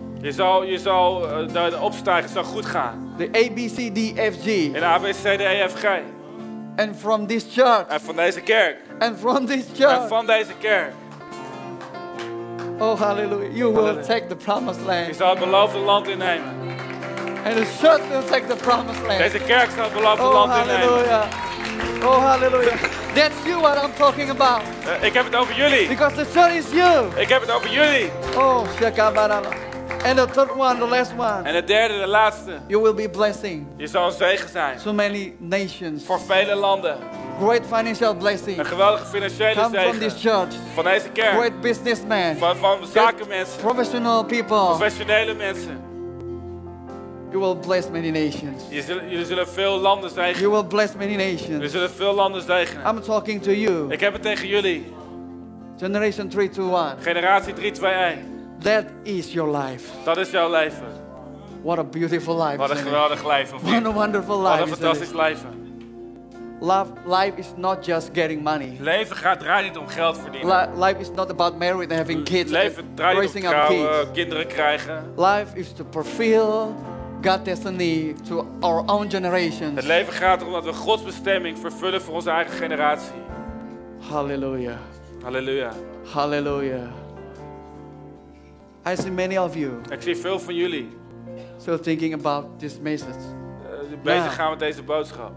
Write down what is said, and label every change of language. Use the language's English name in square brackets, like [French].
[Dutch] Je zal de opstijgen. Het zal goed gaan. [English] The ABCDFG. [Dutch] In ABCDFG. [English] And from this church. [Dutch] En van deze kerk. [English] And from this church. [Dutch] En van deze kerk. [English] Oh hallelujah. You will take the promised land. [Dutch] Je zal het beloofde land innemen. [English] And the church will take the promised land. [Dutch] Deze kerk zal het beloofde land innemen. [English] Oh hallelujah. Oh hallelujah. That's you what I'm talking about. [Dutch] Ik heb het over jullie. [English] Because the church is you. [Dutch] Ik heb het over jullie. Oh shakabara. [English] And the third one, the last one. [Dutch] En de derde, de laatste. [English] You will be blessing. [Dutch] Je zal een zegen zijn. [English] So many nations. [Dutch] Voor vele landen. [English] Great financial blessing. [Dutch] Een geweldige financiële [English] come [Dutch] zegen. [English] From this church. [Dutch] Van deze kerk. [English] Great businessman. [Dutch] Van zakenmensen. [English] Professional people. [Dutch] Professionele mensen. [English] You will bless many nations. [Dutch] Jullie zullen veel landen zegenen. [English] You will bless many nations. [Dutch] Jullie zullen veel landen zegenen. [English] I'm talking to you. [Dutch] Ik heb het tegen jullie. [English] Generation 321. [Dutch] Generatie 321. [English] That is your life. [Dutch] Dat is jouw leven. [English] What a beautiful life. [Dutch] Wat een geweldig leven. [English] What a wonderful life. [Dutch] Wat een fantastisch leven. [English] Life is not just getting money. [Dutch] Leven draait niet om geld verdienen. [English] Life is not about marriage and having kids. [Dutch] Leven draait niet om trouwen, kinderen krijgen. [English] Life is to fulfill God's destiny to our own generations. [Dutch] Het leven gaat erom dat we Gods bestemming vervullen voor onze eigen generatie. [English] Hallelujah. [Dutch] Hallelujah. [English] Hallelujah. I see many of you. [Dutch] Ik zie veel van jullie. [English] Still thinking about this message. [Dutch] Bezig gaan met deze boodschap.